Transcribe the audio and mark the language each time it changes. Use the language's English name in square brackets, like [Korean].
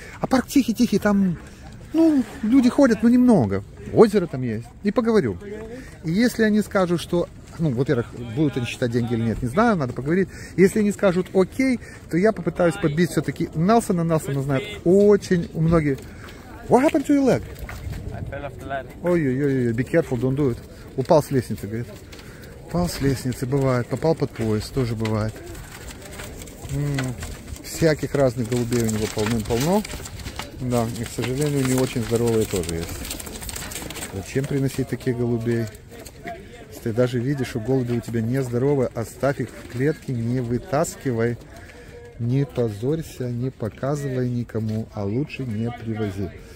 [Russian] А парк тихий-тихий, там, ну, люди ходят, но немного. Озеро там есть. И поговорю. И если они скажут, что... Ну, во-первых, будут они считать деньги или нет, не знаю, надо поговорить. Если они скажут окей, то я попытаюсь подбить все-таки Нелсона. Нелсона знает очень многие. [English] What happened to your leg? I fell off the ladder. Ой-ой-ой, be careful, don't do it. [Russian] Упал с лестницы, говорит. Упал с лестницы, бывает. Попал под поезд, тоже бывает. Всяких разных голубей у него полным-полно. Да, и, к сожалению, не очень здоровые тоже есть. Зачем приносить таких голубей? Ты даже видишь, что голуби у тебя нездоровы, оставь их в клетке, не вытаскивай, не позорься, не показывай никому, а лучше не привози.